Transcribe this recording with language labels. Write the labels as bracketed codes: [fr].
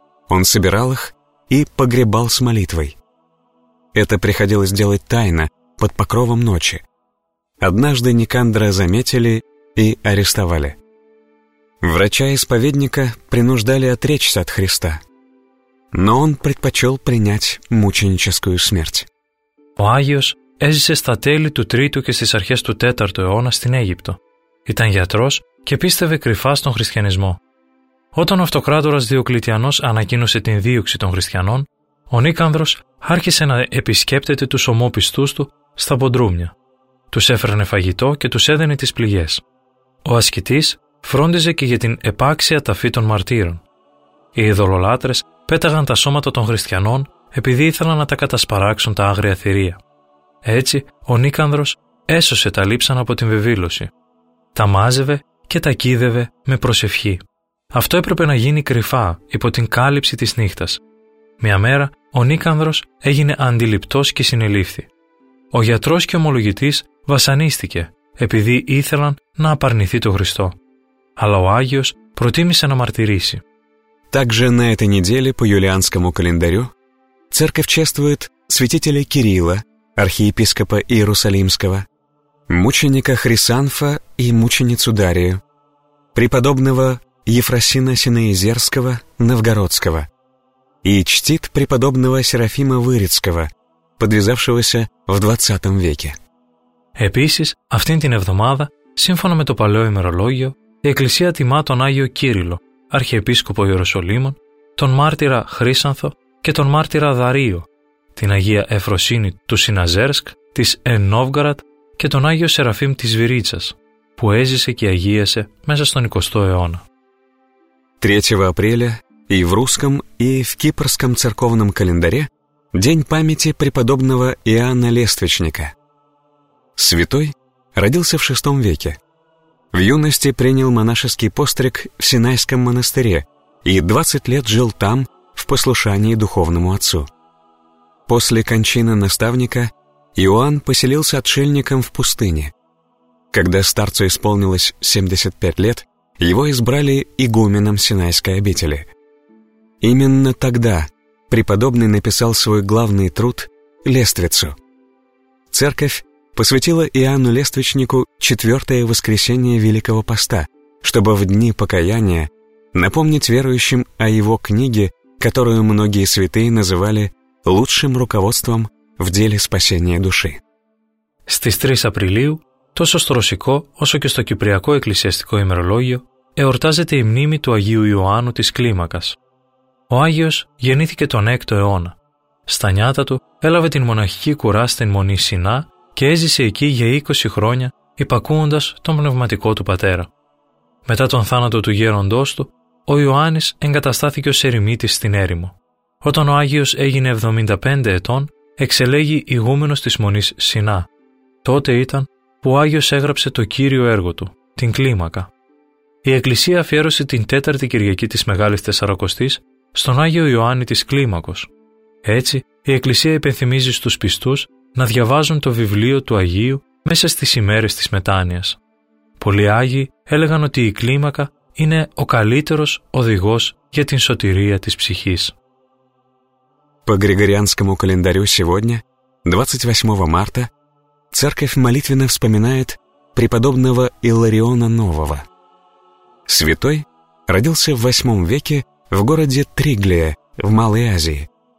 [ru] Он собирал их и погребал с молитвой. Это приходилось делать тайно, под покровом ночи. Однажды Никандра заметили и арестовали. Врача-исповедника принуждали отречься от Христа, но он предпочел принять мученическую смерть. [el] Ο Άγιος έζησε στα τέλη του 3ου και στις αρχές του 4ου αιώνα στην Αίγυπτο. Ήταν γιατρός και πίστευε κρυφά στον χριστιανισμό. Όταν ο αυτοκράτορας Διοκλητιανός ανακοίνωσε την δίωξη των χριστιανών, ο Νίκανδρος άρχισε να επισκέπτεται τους ομόπιστούς του στα ποντρούμια. Τους έφερνε φαγητό και τους έδαινε τις πληγές. Ο ασκητής φρόντιζε και για την επάξια ταφή των μαρτύρων. Οι ειδωλολάτρες πέταγαν τα σώματα των χριστιανών επειδή ήθελαν να τα κατασπαράξουν τα άγρια θηρία. Έτσι, ο Νίκανδρος έσωσε τα λείψανα από την βεβήλωση. Τα μάζευε και τα κίδευε με προσευχή. Αυτό έπρεπε να γίνει κρυφά, υπό την κάλυψη της νύχτας. Μια μέρα, ο Νίκανδρος έγινε αντιληπτός και συνελήφθη. Ο γιατρός και ομολογητής βασανίστηκε, επειδή ήθελαν να απαρνηθεί το Χριστό. Αλλά ο Άγιος προτίμησε να μαρτυρήσει. [ru] Также на этой неделе по юлианскому календарю церковь чествует святителя Кирилла, архиепископа Иерусалимского, мученика Хрисанфа и мученицу Дарию, преподобного Ефросина Синеизерского Новгородского и чтит преподобного Серафима Вырицкого, подвязавшегося в 20 веке. [el] Επίσης, αυτήν την εβδομάδα, σύμφωνα με το παλαιό ημερολόγιο, η Εκκλησία τιμά τον Άγιο Κύριλο, αρχιεπίσκοπο Ιεροσολύμων, τον μάρτυρα Χρύσανθο και τον μάρτυρα Δαρίο, την Αγία Εφροσύνη του Σιναζέρσκ, της Εν-Νόβγαρατ και τον Άγιο Σεραφείμ της Βυρίτσας, που έζησε και αγίασε μέσα στον 20ο αιώνα. [ru] 3 Απρίλια, и в русском, и в кипрском церковном календаре день памяти преподобного Иоанна Лествичника. Святой родился в 6 веке. В юности принял монашеский постриг в Синайском монастыре и 20 лет жил там в послушании духовному отцу. После кончины наставника Иоанн поселился отшельником в пустыне. Когда старцу исполнилось 75 лет, его избрали игуменом Синайской обители. Именно тогда преподобный написал свой главный труд «Лествицу». Церковь посвятила Иоанну Лествичнику четвертое воскресенье Великого Поста, чтобы в дни покаяния напомнить верующим о его книге, которую многие святые называли «лучшим руководством в деле спасения души». [el] Στις 3 Απριλίου, τόσο στο ρωσικό όσο και στο κυπριακό εκκλησιαστικό ημερολόγιο, εορτάζεται η μνήμη του Αγίου Ιωάννου της Κλίμακας. Ο Άγιος γεννήθηκε τον 6ο αιώνα. Στα νιάτα του έλαβε την μοναχική κουρά στην Μονή Σινά και έζησε εκεί για 20 χρόνια υπακούοντας τον πνευματικό του πατέρα. Μετά τον θάνατο του γέροντός του, ο Ιωάννης εγκαταστάθηκε ως ερημίτης στην έρημο. Όταν ο Άγιος έγινε 75 ετών, εξελέγη ηγούμενος της Μονής Σινά. Τότε ήταν που ο Άγιος έγραψε το κύριο έργο του, την Κλίμακα. Η Εκκλησία αφιέρωσε την τέταρτη Κυριακή της Μεγάλης Τεσσαρακοστής στον Άγιο Ιωάννη της Κλίμακος. Έτσι, η Εκκλησία υπενθυμίζει στους πιστούς να διαβάζουν το βιβλίο του Αγίου μέσα στις ημέρες της μετάνοιας. Πολλοί Άγιοι έλεγαν ότι η κλίμακα είναι ο καλύτερος οδηγός για την σωτηρία της ψυχής. [ru] По Григорианскому календарю сегодня, 28 марта, церковь молитвенно вспоминает преподобного Иллариона Нового. Святой родился в 8 веке в городе Триглия в Малой Азии.